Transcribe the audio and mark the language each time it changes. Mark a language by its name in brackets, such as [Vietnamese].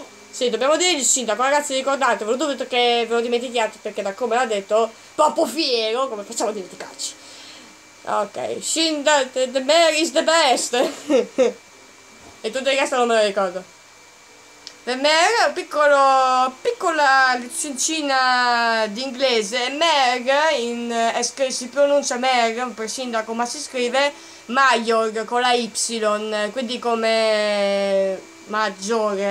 [Italian] Sì, dobbiamo dire il sindaco. Ragazzi, ricordatevelo, dubito che ve lo dimentichiate, perché da come l'ha detto, proprio fiero, come facciamo a dimenticarci? [English] Ok, sindaco, the mayor is the best. [Italian] E tutto il resto non me lo ricordo. The mayor è piccola lezioncina di inglese. Mayor si pronuncia mayor per sindaco, ma si scrive maior con la Y, quindi come maggiore.